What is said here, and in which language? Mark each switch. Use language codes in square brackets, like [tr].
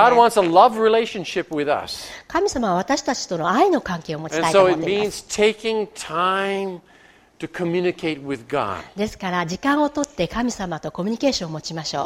[en] God wants a love relationship with us. [ja] 神様は私たちとの愛の関係を持ちたいと思っています。 [en] And so it means taking time to communicate with God. [ja] ですから時間を取って神様とコミュニケーションを持ちましょう。